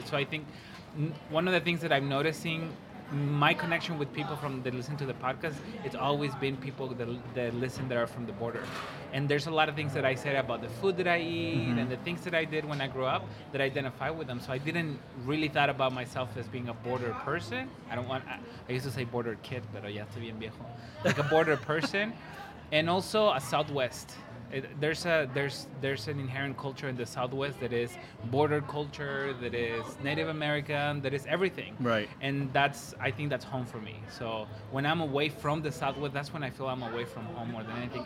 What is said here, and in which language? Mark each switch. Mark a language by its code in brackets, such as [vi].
[en] So I think one of the things that I'm noticing... My connection with people that listen to the podcast, it's always been people that listen that are from the border. And there's a lot of things that I said about the food that I eat and the things that I did when I grew up that I identify with them. So I didn't really thought about myself as being a border person. I used to say border kid, [es] pero ya estoy bien viejo. [en] Like a border person. And also a Southwest. There's an inherent culture in the Southwest that is border culture, that is Native American, that is everything. Right. And I think that's home for me. So when I'm away from the Southwest, that's when I feel I'm away from home more than anything.